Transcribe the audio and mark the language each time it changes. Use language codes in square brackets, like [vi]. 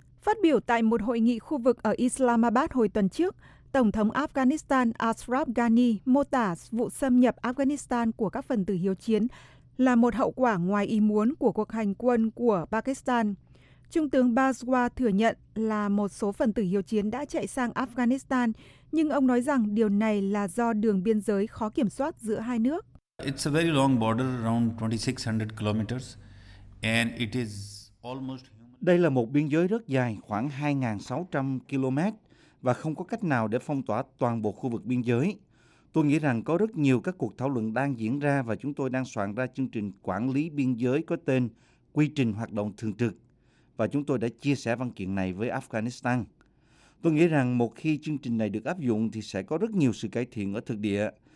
[vi] Phát biểu tại một hội nghị khu vực ở Islamabad hồi tuần trước, Tổng thống Afghanistan Ashraf Ghani mô tả vụ xâm nhập Afghanistan của các phần tử hiếu chiến là một hậu quả ngoài ý muốn của cuộc hành quân của Pakistan. Trung tướng Bazwa thừa nhận là một số phần tử hiếu chiến đã chạy sang Afghanistan, nhưng ông nói rằng điều này là do đường biên giới khó kiểm soát giữa hai nước. [en] It's a very long border, around 2600 kilometers, and it is almost... [vi] Đây là một biên giới rất dài, khoảng 2.600 km, và không có cách nào để phong tỏa toàn bộ khu vực biên giới. Tôi nghĩ rằng có rất nhiều các cuộc thảo luận đang diễn ra và chúng tôi đang soạn ra chương trình quản lý biên giới có tên Quy trình hoạt động thường trực. Và chúng tôi đã chia sẻ văn kiện này với Afghanistan. Tôi nghĩ rằng một khi chương trình này được áp dụng thì sẽ có rất nhiều sự cải thiện ở thực địa.